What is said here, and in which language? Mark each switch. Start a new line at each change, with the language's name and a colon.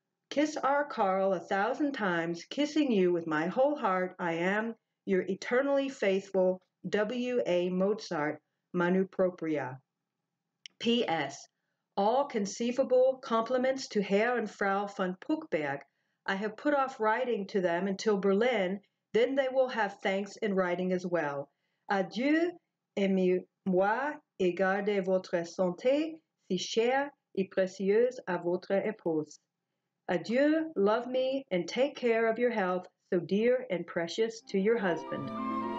English: Kiss our Carl 1,000 times, kissing you with my whole heart, I am your eternally faithful W. A. Mozart, manu propria. P.S. All conceivable compliments to Herr and Frau von Puckberg. I have put off writing to them until Berlin, then they will have thanks in writing as well.
French: Adieu, aimez-moi et gardez votre santé si chère et précieuse à votre épouse.
English: Adieu, love me, and take care of your health, so dear and precious to your husband.